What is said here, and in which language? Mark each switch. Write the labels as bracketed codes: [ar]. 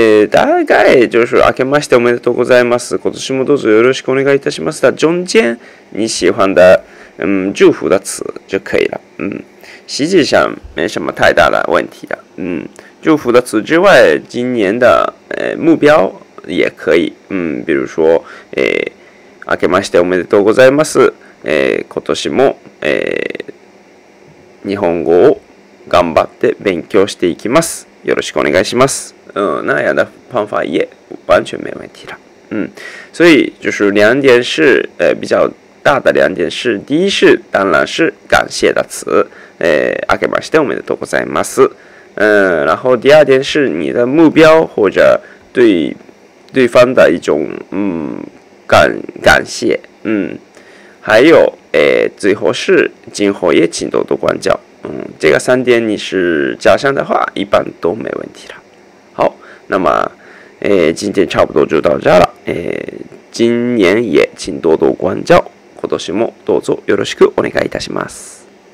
[ja] 大概就是明けましておめでとうございます。今年もどうぞよろしくお願いいたします。 [zh] 的中间你喜欢的祝福的词就可以了。实际上没什么太大的问题的。祝福的词之外，今年的目标也可以。比如说 [ja] 明けましておめでとうございます。今年も日本語を頑張って勉強していきます。よろしくお願いします。 [zh] 那样的方法也完全没问题了。所以就是两点是比较大的两点是，第一是当然是感谢的词， [ja] 明けましておめでとうございます。 [zh] 然后第二点是你的目标或者对对方的一种感谢。还有最后是今后也请多多关照。这个三点你是加上的话一般都没问题了。好，那么今天差不多就到这了。今年也请多多关照。 [ja] 今年もどうぞよろしくお願いいたします。